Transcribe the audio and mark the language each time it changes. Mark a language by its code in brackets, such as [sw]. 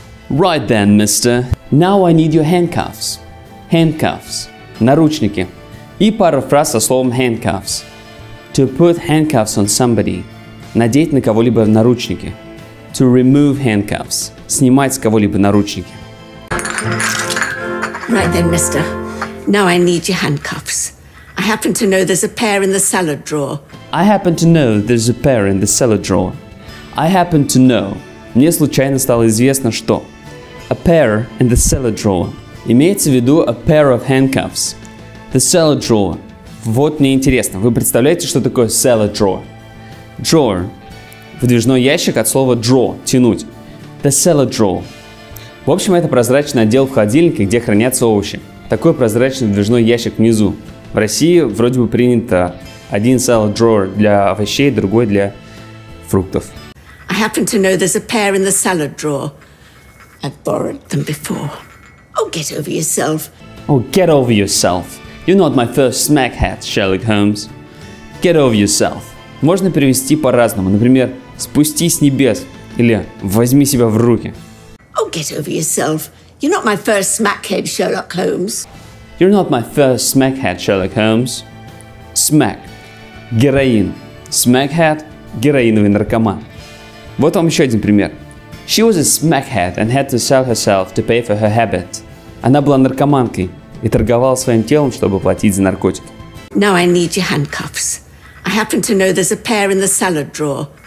[en] Right then, mister. Now I need your handcuffs. Handcuffs. [ru] Наручники. И пара фраз со словом [en] handcuffs. To put handcuffs on somebody. [ru] Надеть на кого-либо наручники. [en] To remove handcuffs. [ru] Снимать с кого-либо наручники. [en] Right then, mister. Now I need your handcuffs. I happen to know there's a pair in the salad drawer. I happen to know there's a pair in the salad drawer. I happen to know. [ru] Мне случайно стало известно, что. [en] A pair in the salad drawer. [ru] Имеется в виду [en] a pair of handcuffs. The salad drawer. [ru] Вот мне интересно, вы представляете, что такое salad drawer? Drawer. Выдвижной ящик от слова draw, тянуть. [en] The salad drawer. [ru] В общем, это прозрачный отдел в холодильнике, где хранятся овощи. Такой прозрачный выдвижной ящик внизу. В России вроде бы принято один salad drawer для овощей, другой для фруктов. [en] I happen to know there's a pair in the salad drawer. I've borrowed them before. Oh, get over yourself. Oh, get over yourself. You're not my first smack hat, Sherlock Holmes. Get over yourself. [ru] Можно перевести по-разному. Например, спустись с небес или возьми себя в руки. [en] Oh, get over yourself. You're not my first smackhead, Sherlock Holmes. You're not my first smackhead, Sherlock Holmes. Smack. [ru] Героин. Смакхед – героиновый наркоман. Вот вам еще один пример. [en] She was a smackhead and had to sell herself to pay for her habit. [ru] Она была наркоманкой и торговала своим телом, чтобы платить за наркотики. [en] Now I need your handcuffs. I happen to know there's a pair in the salad drawer.